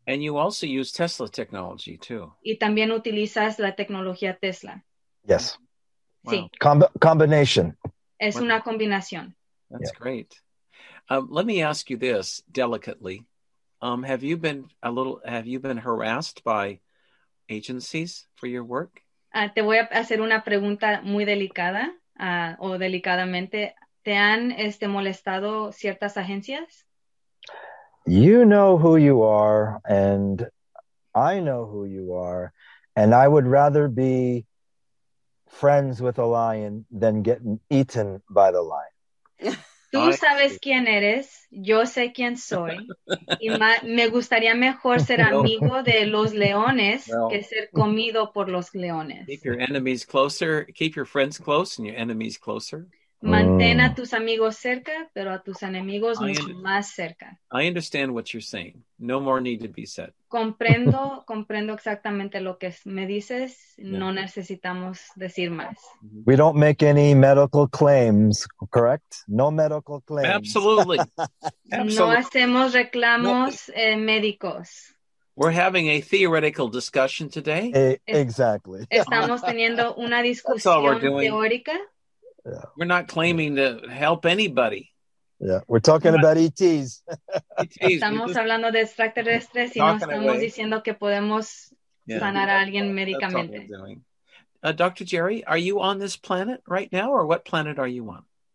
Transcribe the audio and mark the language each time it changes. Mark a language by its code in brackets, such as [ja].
[en] And you also use Tesla technology, too. [es] Y también utilizas la tecnología Tesla. [en] Yes. Wow. Sí. Combination. [es] Es una combinación. [en] That's great. Let me ask you this, delicately. Have you been harassed by agencies for your work? [es] Te voy a hacer una pregunta muy delicada. O delicadamente, ¿te han molestado ciertas agencias? [en] You know who you are, and I know who you are, and I would rather be friends with a lion than getting eaten by the lion. [es] Tú sabes quién eres, yo sé quién soy, y me gustaría mejor ser amigo de los leones que ser comido por los leones. [en] Keep your enemies closer, keep your friends close and your enemies closer. [es] Mantén a tus amigos cerca, pero a tus enemigos más cerca. [en] I understand what you're saying. No more need to be said. [es] Comprendo exactamente lo que me dices. [en] Yeah. [es] No necesitamos decir más. [en] We don't make any medical claims, correct? No medical claims. Absolutely. Absolutely. [es] No hacemos reclamos médicos. [en] We're having a theoretical discussion today. Exactly. [es] Estamos teniendo una discusión teórica. [en] Yeah. We're not claiming to help anybody. Yeah, we're talking about ETs. [es] Estamos hablando de extraterrestres y no estamos diciendo que podemos sanar a alguien médicamente. [en] Dr. Jerry, are you on this planet right now, or what planet are you on?